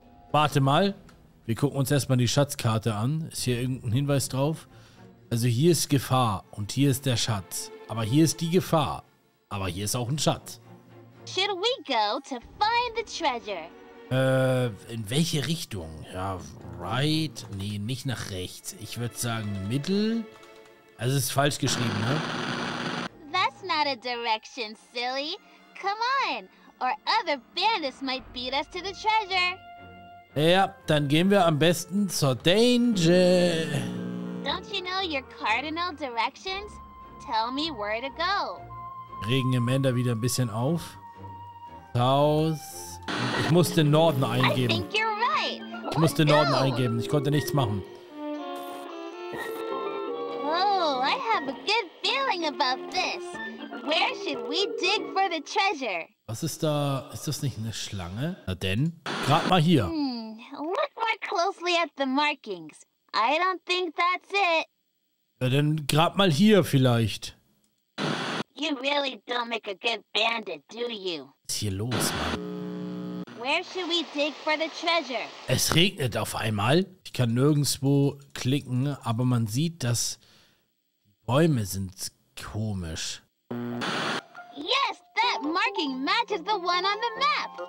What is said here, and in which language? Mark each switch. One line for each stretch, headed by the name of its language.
German: Warte mal. Wir gucken uns erstmal die Schatzkarte an. Ist hier irgendein Hinweis drauf? Also hier ist Gefahr und hier ist der Schatz. Aber hier ist die Gefahr. Aber hier ist auch ein Schatz.
English: Should we go to find the treasure?
German: In welche Richtung? Ja, right? Nee, nicht nach rechts. Ich würde sagen, mittel. Also, es ist falsch geschrieben, ne?
English: That's not a direction, silly. Come on, or other bandits might beat us to the treasure.
German: Ja, dann gehen wir am besten zur Danger.
English: Don't you know your cardinal directions? Tell me where to go.
German: regen Amanda wieder ein bisschen auf. Haus. Ich muss den Norden eingeben. Ich muss den Norden eingeben. Ich konnte nichts machen.
English: Oh, I have a good feeling about this. Where should we dig for the treasure?
German: Was ist da? Ist das nicht eine Schlange? Na denn? Grab mal hier.
English: Look more closely at the markings. I don't think that's it.
German: Na dann grab mal hier vielleicht.
English: You really don't make a good bandit, do you?
German: Was ist hier los, Mann?
English: Where should we dig for the treasure?
German: Es regnet auf einmal. Ich kann nirgendwo klicken, aber man sieht, dass Bäume sind komisch.
English: Yes, that marking matches the one on the map.